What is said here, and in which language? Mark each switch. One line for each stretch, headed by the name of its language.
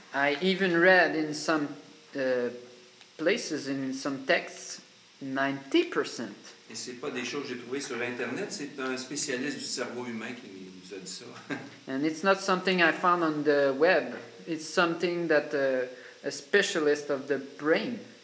English: I even read in some places, in some texts, 90%.
French: Et c'est pas des choses que j'ai trouvées sur Internet, c'est un spécialiste du cerveau humain qui nous a dit ça.
English: And it's not something I found on the web. It's something that a specialist of the brain,